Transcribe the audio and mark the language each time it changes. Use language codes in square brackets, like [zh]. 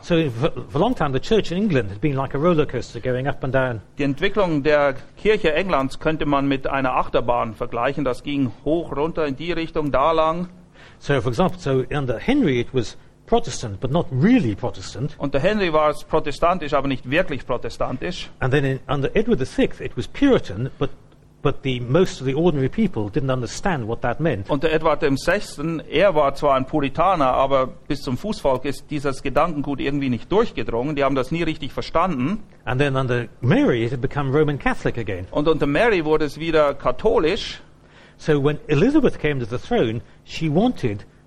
[en] So for a long time, the church in England had been like a roller coaster going up and down. [de] Die Entwicklung der Kirche Englands könnte man mit einer Achterbahn vergleichen. Das ging hoch, runter, in die Richtung, da lang. [en] So for example, so under Henry it was Protestant, but not really Protestant. [de] Unter Henry war es protestantisch, aber nicht wirklich protestantisch. [en] And then under Edward VI it was Puritan, but the most of the ordinary people didn't understand what that meant. [de] Unter Edward VI, er war zwar ein Puritaner, aber bis zum Fußvolk ist dieses Gedankengut irgendwie nicht durchgedrungen. Die haben das nie richtig verstanden. [en] And then under Mary it had become Roman Catholic again. [de] Und unter Mary wurde es wieder katholisch. [en] So when Elizabeth came to the throne, she wanted